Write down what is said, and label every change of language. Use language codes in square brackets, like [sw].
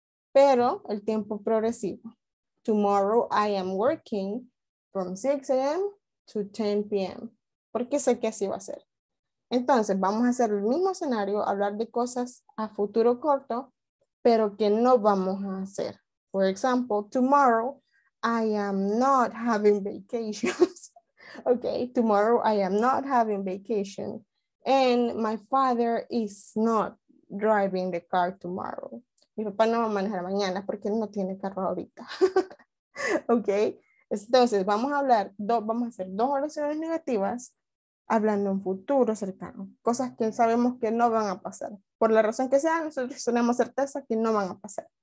[es] Pero el tiempo progresivo. [en] Tomorrow I am working from 6 a.m. to 10 p.m. [es] Porque sé que así va a ser. Entonces, vamos a hacer el mismo escenario, hablar de cosas a futuro corto, pero que no vamos a hacer. [en] For example, tomorrow I am not having vacations. Okay, tomorrow I am not having vacation. And my father is not driving the car tomorrow. [es] Mi papá no va a manejar mañana porque él no tiene carro ahorita. Okay, entonces vamos a hacer dos oraciones negativas hablando en futuro cercano, cosas que sabemos que no van a pasar. Por la razón que sea, nosotros tenemos certeza que no van a pasar.